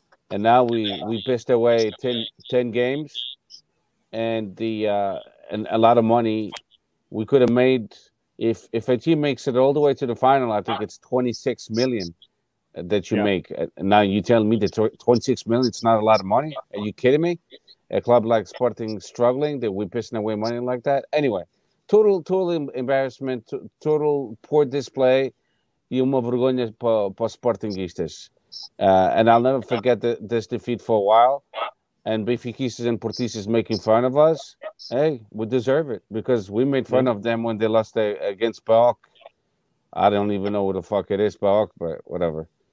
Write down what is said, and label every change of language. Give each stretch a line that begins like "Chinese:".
English: And now we pissed away 10 games, and and a lot of money we could have made if a team makes it all the way to the final. I think it's 26 million. That you make. Now you tell me that 26 million is not a lot of money? Are you kidding me? A club like Sporting struggling, that we're pissing away money like that? Anyway, total embarrassment, total poor display,
Portuguese: e uma vergonha para os Sportingistas.
English: And I'll never forget this defeat for a while. And Benfiquistas and Portistas making fun of us, hey, we deserve it, because we made fun of them when they lost against PAOK. I don't even know what the fuck it is, PAOK, but whatever.